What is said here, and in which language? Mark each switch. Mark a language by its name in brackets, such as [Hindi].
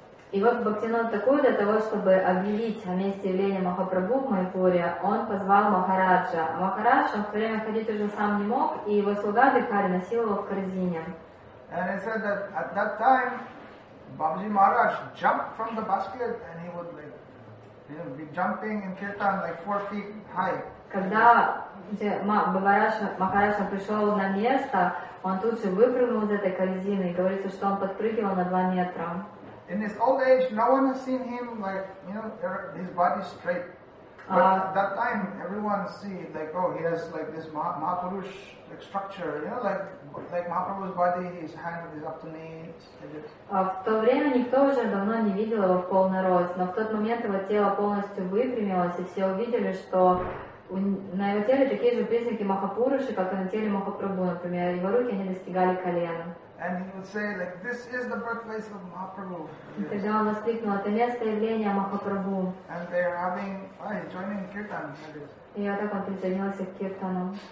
[Russian] И вот Бхактивинода Такур для того, чтобы объявить о месте явления Махапрабху в Майпуре, он позвал Махараджа. Махарадж, он в то время ходить уже сам не мог, и его слуга Бихари носил его в корзине. [English] And it said that at that time, Бабжи Махарадж jumped from the basket and he would like, you know, be jumping in kirtan like 4 feet high. [Russian] Когда Махараджа пришел на место, он тут же выпрыгнул из этой корзины, и говорится, что он подпрыгивал на 2 метра. [English] In his old age, no one has seen him like, you know, his body straight. But that time, everyone see like, oh, he has like this Mahapurush like structure, you know, like Mahaprabhu's body, his hand is up to knees. [Russian] В то время никто уже давно не видел его в полный рост, но в тот момент его тело полностью выпрямилось, и все увидели, что на его теле такие же признаки Махапуруши, как и на теле Махапрабху, например, его руки не достигали колена. [English] And he would say, like, this is the birthplace of Mahaprabhu. [Russian] Тогда он воскликнул, это место явления Махапрабху. [English] And they're having, joining kirtan. [Russian] И вот так он присоединился к киртану.